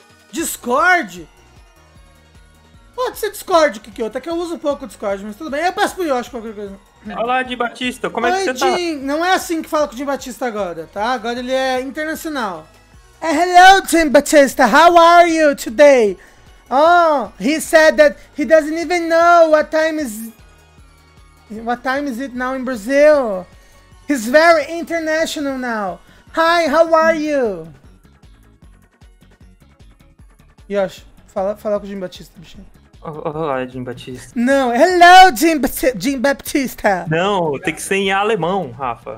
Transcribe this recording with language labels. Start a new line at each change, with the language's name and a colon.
Portuguese: Discord? Pode ser Discord, Kikioto. É que eu uso um pouco o Discord, mas tudo bem. Eu peço pro Yoshi qualquer coisa. Olá, Jim Batista. Como é que você tá? Jim. Não é assim que fala com o Jim Batista agora, tá? Agora ele é internacional.
English: Hello, Jim Batista. How are you today? Oh, he said that he doesn't even know what time is it now in Brazil. He's very international now. Hi, how are you?
Portuguese: Yosh, fala com o Jim Batista, bichinho. Olá, Jim Batista. Não, hello, Jim Batista. Não, tem que ser em alemão, Rafa.